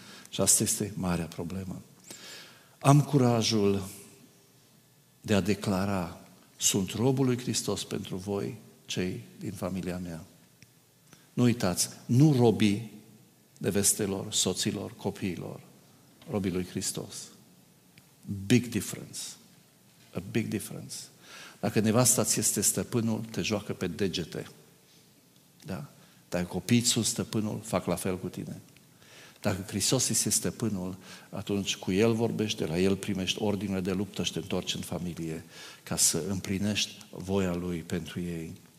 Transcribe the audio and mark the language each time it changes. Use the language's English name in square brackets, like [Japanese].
[Romanian] Și asta este marea problemă. Am curajul de a declara, sunt robul lui Hristos pentru voi cei din familia mea. Nu uitați, nu robii nevestelor, soților, copiilor, robii lui Hristos. [English] Big difference. A big difference. [Romanian] Dacă nevasta ți este stăpânul, te joacă pe degete. Da? Dacă copiii sunt stăpânul, fac la fel cu tine. Dacă Hristos este stăpânul, atunci cu El vorbești, de la El primești ordine de luptă și te întorci în familie ca să împlinești voia Lui pentru ei.